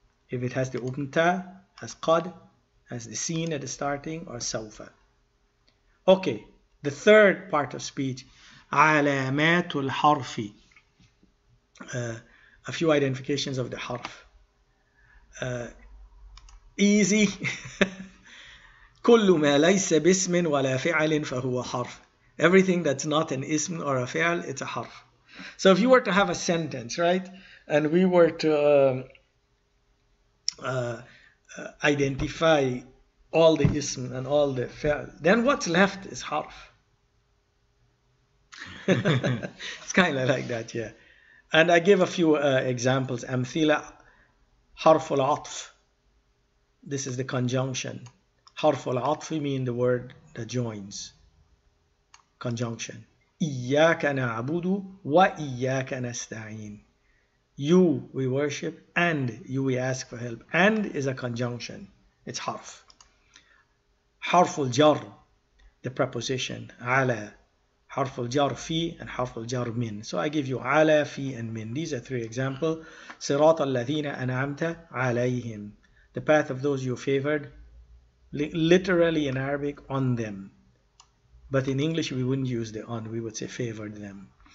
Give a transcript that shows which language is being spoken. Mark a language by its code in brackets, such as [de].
[en] If it has the open تاء, has قد, has the سين at the starting, or سوف. Okay, the third part of speech, علامات الحرف. A few identifications of the حرف. Easy. [ar] كل ما ليس باسم ولا فعل فهو حرف. [en] Everything that's not an ism or a fi'al, it's a harf. So if you were to have a sentence, right? And we were to identify all the ism and all the fi'al, then what's left is harf. It's kind of like that, yeah. And I give a few examples. Amthila, harf al-atf. This is the conjunction. Harf al-atf mean the word that joins. [ar] Conjunction. إِيَّاكَ نَعْبُدُ وَإِيَّاكَ نَسْتَعِينَ. [en] You, we worship, and you, we ask for help. And is a conjunction. It's harf. حرف الجر, the preposition. [ar] على, حرف الجر في, and حرف الجر من. [en] So I give you على, في, and من. These are three examples. [ar] صراط الذين أنعمت عليهم. [en] The path of those you favored, literally in Arabic, on them. But in English, we wouldn't use the on, we would say favored them.